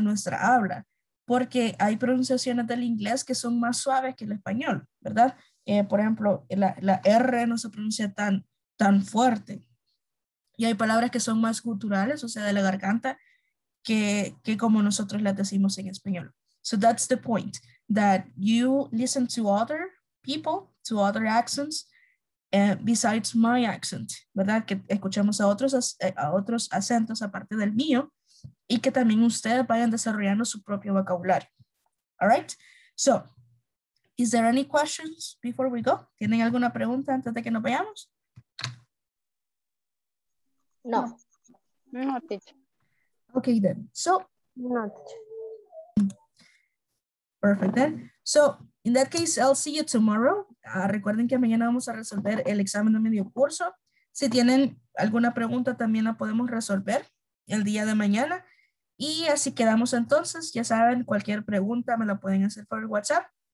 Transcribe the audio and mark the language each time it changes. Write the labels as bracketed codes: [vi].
[es] Nuestra habla, porque hay pronunciaciones del inglés que son más suaves que el español, ¿verdad? Por ejemplo, la R no se pronuncia tan fuerte. Y hay palabras que son más guturales, o sea, de la garganta, que como nosotros las decimos en español. [en] So that's the point, that you listen to other people, to other accents, besides my accent, [es] ¿verdad? Que escuchemos a otros acentos aparte del mío, y que también ustedes vayan desarrollando su propio vocabulario. [en] All right? So, is there any questions before we go? [es] ¿Tienen alguna pregunta antes de que nos vayamos? [en] No. No, teacher. Okay then. So, not. Perfect then. So, in that case, I'll see you tomorrow. [es] Recuerden que mañana vamos a resolver el examen de medio curso. Si tienen alguna pregunta, también la podemos resolver el día de mañana. Y así quedamos entonces. Ya saben, cualquier pregunta me la pueden hacer por WhatsApp.